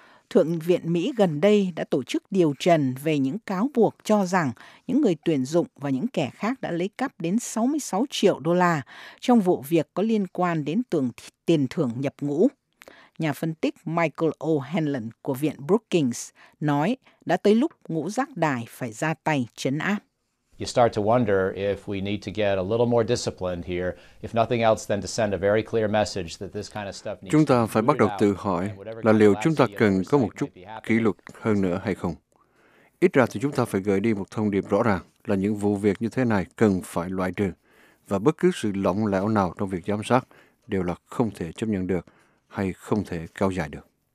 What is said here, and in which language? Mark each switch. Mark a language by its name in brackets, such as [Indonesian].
[Vietnamese] Thượng viện Mỹ gần đây đã tổ chức điều trần về những cáo buộc cho rằng những người tuyển dụng và những kẻ khác đã lấy cắp đến 66 triệu đô la trong vụ việc có liên quan đến tiền thưởng nhập ngũ. Nhà phân tích Michael O'Hanlon của Viện Brookings nói đã tới lúc ngũ giác đài phải ra tay trấn áp. [English] You start to wonder if we need to get a little more disciplined here, if nothing else than to send a very clear message that this kind of stuff needs to be. [Vietnamese] Chúng ta phải bắt đầu tự hỏi là liệu chúng ta cần có một chút kỷ luật hơn nữa hay không. Ít ra thì chúng ta phải gửi đi một thông điệp rõ ràng là những vụ việc như thế này cần phải loại trừ, và bất cứ sự lỏng lẻo nào trong việc giám sát đều là không thể chấp nhận được hay không thể kéo dài được.